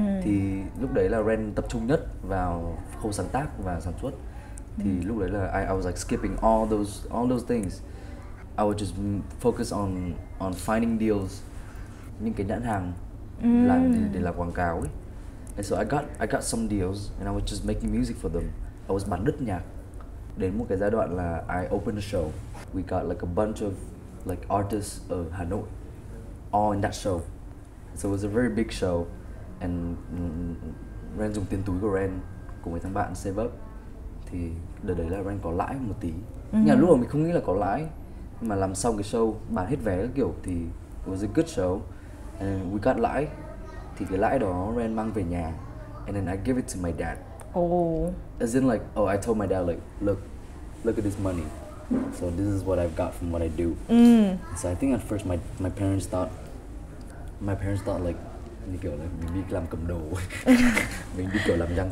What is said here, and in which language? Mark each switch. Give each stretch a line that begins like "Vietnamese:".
Vietnamese: Thì lúc đấy là Ren tập trung nhất vào khâu sáng tác và sản xuất. Thì lúc đấy là
English: I was like skipping all those things. I would just focus on finding deals,
Vietnamese: những cái nhãn hàng làm để làm quảng cáo ý.
English: And so I got some deals and I was just making music for them. I was
Vietnamese: bán đứt nhạc. Đến một cái giai đoạn là
English: I opened a show. We got like a bunch of like artists
Vietnamese: ở Hà Nội
English: all in that show. So it was a very big show.
Vietnamese: And Ren dùng tiền túi của Ren cùng với thằng bạn
English: save up.
Vietnamese: Thì đợt đấy là Ren có lãi một tí. Nhà lúc đầu mình không nghĩ là có lãi. Nhưng mà làm xong cái show, bán hết vé các kiểu thì
English: it was a good show. And we got
Vietnamese: lãi. Thì cái lãi đó Ren mang về nhà.
English: And then I give it to my dad. Oh. As in like, oh, I told my dad like, look at this money. So this is what I've got from what I do. So I think at first my parents thought like,
Vietnamese: như kiểu là mình đi làm cầm đồ. Mình đi kiểu làm giang hồ.